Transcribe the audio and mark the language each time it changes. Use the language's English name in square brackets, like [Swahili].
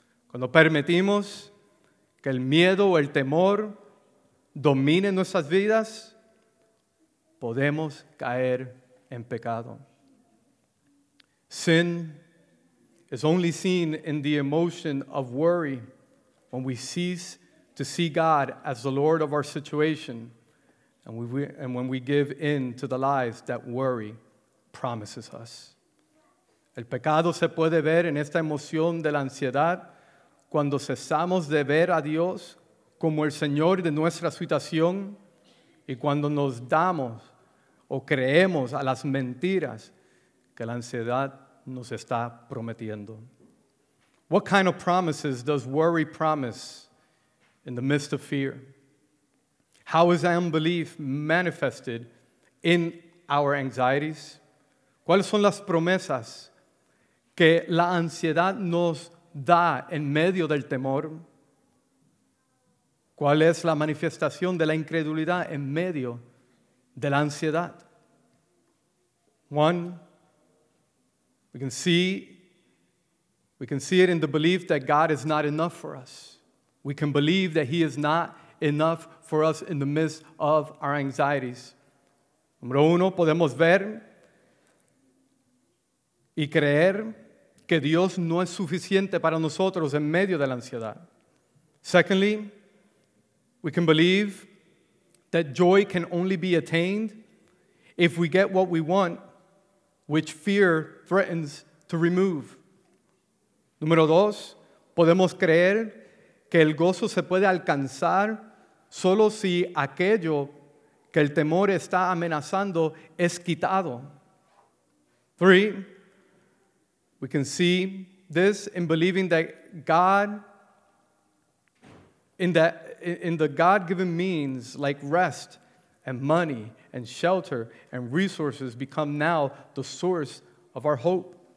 [Spanish] Cuando permitimos que el miedo o el temor domine nuestras vidas, podemos caer en pecado. [English] Sin is only seen in the emotion of worry when we cease to see God as the Lord of our situation and when we give in to the lies that worry promises us. [Spanish] El pecado se puede ver en esta emoción de la ansiedad cuando cesamos de ver a Dios como el Señor de nuestra situación y cuando nos damos o creemos a las mentiras que la ansiedad nos está prometiendo. [English] What kind of promises does worry promise in the midst of fear? How is unbelief manifested in our anxieties? [Spanish] ¿Cuáles son las promesas que la ansiedad nos da en medio del temor? ¿Cuál es la manifestación de la incredulidad en medio de la ansiedad? [English] One, we can see it in the belief that God is not enough for us. We can believe that He is not enough for us in the midst of our anxieties. [Spanish] Número uno, podemos ver y creer que Dios no es suficiente para nosotros en medio de la ansiedad. [English] Secondly, we can believe that joy can only be attained if we get what we want, which fear threatens to remove. [Spanish] Número dos, podemos creer que el gozo se puede alcanzar solo si aquello que el temor está amenazando es quitado. [English] Three, we can see this in believing that God, in the God-given means like rest and money and shelter and resources become now the source of our hope.